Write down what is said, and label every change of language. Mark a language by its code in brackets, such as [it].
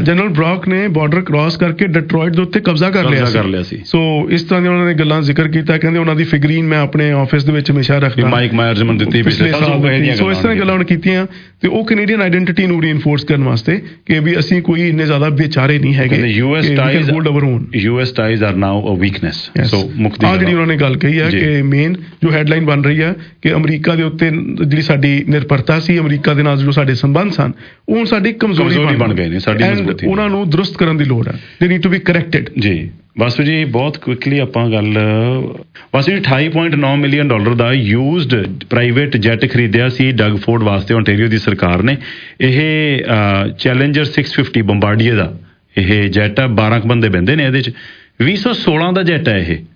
[pa] General Brock ਨੇ border cross ਕਰਕੇ ਡਿਟਰੋਇਟ ਦੇ ਉੱਤੇ ਕਬਜ਼ਾ ਕਰ ਲਿਆ ਸੀ। ਸੋ ਇਸ ਤਰ੍ਹਾਂ ਦੀਆਂ ਉਹਨਾਂ ਨੇ ਗੱਲਾਂ ਜ਼ਿਕਰ ਕੀਤਾ, ਕਹਿੰਦੇ ਉਹਨਾਂ ਦੀ ਫਿਗਰੀਨ ਮੈਂ ਆਪਣੇ ਆਫਿਸ ਦੇ ਵਿੱਚ ਹਮੇਸ਼ਾ ਰੱਖਦੀ, ਮਾਈਕ ਮਾਇਰਜ਼ਮਨ ਦਿੱਤੀ ਪਿਛਲੇ ਸਾਲ। ਸੋ ਇਸ ਤਰ੍ਹਾਂ ਗੱਲਾਂ ਹੁਣ ਕੀਤੀਆਂ, ਤੇ ਉਹ ਕੈਨੇਡੀਅਨ ਆਈਡੈਂਟੀ ਨੂੰ ਰੀਇਨਫੋਰਸ ਕਰਨ ਵਾਸਤੇ ਕਿ ਵੀ ਅਸੀਂ ਕੋਈ ਇੰਨੇ ਜ਼ਿਆਦਾ ਵਿਚਾਰੇ ਨਹੀਂ ਹੈਗੇ, [en] US ties hold our own, US ties are now a weakness। [pa] ਸੋ ਮੁਕਤੀ ਆ ਜਿਹੜੀ ਉਹਨਾਂ ਨੇ ਗੱਲ ਕਹੀ ਹੈ ਕਿ ਮੇਨ ਜੋ ਹੈਡਲਾਈਨ ਬਣ ਰਹੀ ਹੈ ਕਿ ਅਮਰੀਕਾ ਦੇ ਉੱਤੇ ਜਿਹੜੀ ਸਾਡੀ ਨਿਰਭਰਤਾ ਸੀ, ਅਮਰੀਕਾ ਦੇ ਨਾਲ ਜੋ ਸਾਡੇ ਸੰਬੰਧ ਸਨ, ਉਹ ਹੁਣ ਸਾਡੀ ਕਮਜ਼ੋਰੀ ਬਣ ਗਏ ਨੇ, ਸਾਡੀ ਮਜ਼ਬੂਤੀ, ਉਹਨਾਂ ਨੂੰ ਦਰੁਸਤ ਕਰਨ ਦੀ ਲੋੜ ਹੈ, [en] They need to be corrected. [pa] ਜੀ ਵਾਸੂ ਜੀ, ਬਹੁਤ ਕੁਇਕਲੀ ਆਪਾਂ ਗੱਲ, ਵਾਸੂ ਜੀ, $28.9 million ਦਾ ਯੂਜ਼ਡ ਪ੍ਰਾਈਵੇਟ ਜੈੱਟ ਖਰੀਦਿਆ ਸੀ ਡਗ ਫੋਰਡ ਵਾਸਤੇ ਓਨਟੇਰੀਓ ਦੀ ਸਰਕਾਰ ਨੇ, ਇਹ ਚੈਲੇਂਜਰ 650 ਬੰਬਾਰਡੀਅਰ ਦਾ ਇਹ ਜੈੱਟ ਆ, 12 ਬੰਦੇ ਬਹਿੰਦੇ ਨੇ ਇਹਦੇ 'ਚ, 2016 ਦਾ ਜੈੱਟ ਹੈ ਇਹ।